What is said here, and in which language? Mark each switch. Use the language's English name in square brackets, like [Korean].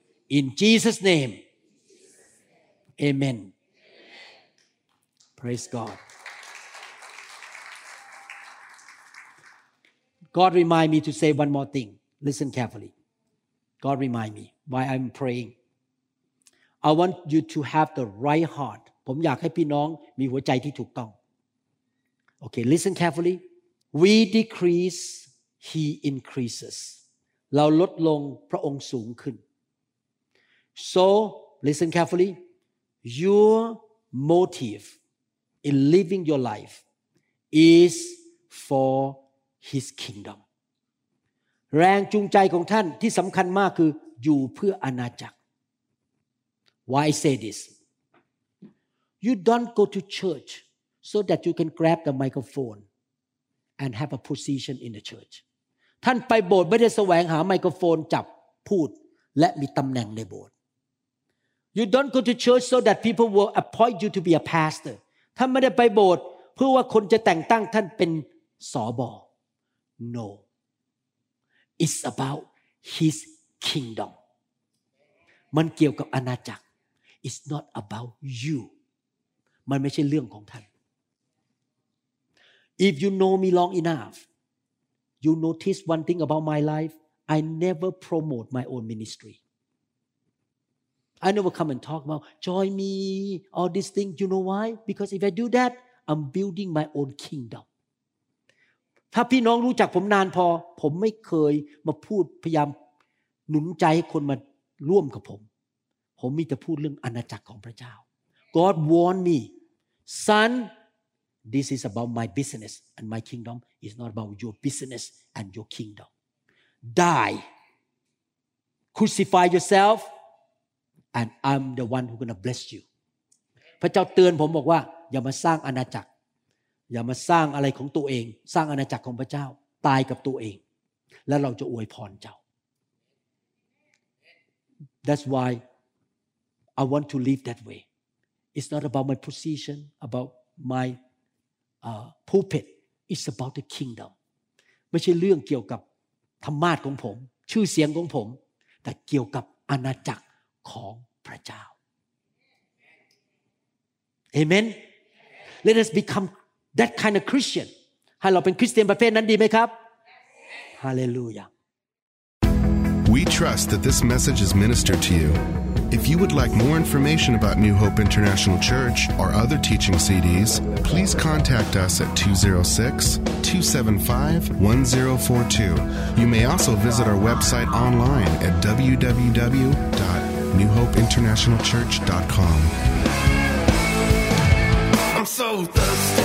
[English] In Jesus' name, amen. Praise God. God remind me to say one more thing. Listen carefully. God remind me. Why I'm praying. I want you to have the right heart. [Thai] ผมอยากให้พี่น้องมีหัวใจที่ถูกต้อง [English] Okay, listen carefully. We decrease, he increases. [Thai] เราลดลงพระองค์สูงขึ้น [English] So, listen carefully. Your motive in living your life is for his kingdom. [Thai] แรงจูงใจของท่านที่สำคัญมากคืออยู่เพื่ออาณาจักร [English] Why I say this? You don't go to church so that you can grab the microphone and have a position in the church. [Thai] ท่านไปโบสถ์ไม่ได้แสวงหาไมโครโฟนจับพูดและมีตำแหน่งในโบสถ์ [English] You don't go to church so that people will appoint you to be a pastor. [Thai] ท่านไม่ได้ไปโบสถ์เพื่อว่าคนจะแต่งตั้งท่านเป็นสบ. [English] No. It's about his. Kingdom. [Thai] มันเกี่ยวกับอาณาจักร [English] It's not about you. [Thai] มันไม่ใช่เรื่องของท่าน [English] If you know me long enough, you notice one thing about my life. I never promote my own ministry. I never come and talk about join me, all these things. You know why? Because if I do that, I'm building my own kingdom. [Thai] ถ้าพี่น้องรู้จักผมนานพอผมไม่เคยมาพูดพยายามหนุนใจให้คนมาร่วมกับผมผมมีแต่พูดเรื่องอาณาจักรของพระเจ้า [English] God warned me son this is about my business and my kingdom is not about your business and your kingdom die crucify yourself and I'm the one who's gonna bless you [Thai] พระเจ้าเตือนผมบอกว่าอย่ามาสร้างอาณาจักรอย่ามาสร้างอะไรของตัวเองสร้างอาณาจักรของพระเจ้าตายกับตัวเองแล้วเราจะอวยพรเจ้า [English] That's why I want to live that way. It's not about my position, about my pulpit. It's about the kingdom. [Thai] ไม่ใช่เรื่องเกี่ยวกับธรรมาสน์ของผมชื่อเสียงของผมแต่เกี่ยวกับอาณาจักรของพระเจ้า [English] Amen. Let us become that kind of Christian. [Thai] ให้เราเป็นคริสเตียนประเภทนั้นดีไหมครับ [English] Hallelujah. We trust that this message is ministered to you. If you would like more information about New Hope International Church or other teaching CDs, please contact us at 206-275-1042. You may also visit our website online at www.newhopeinternationalchurch.com. I'm so thirsty.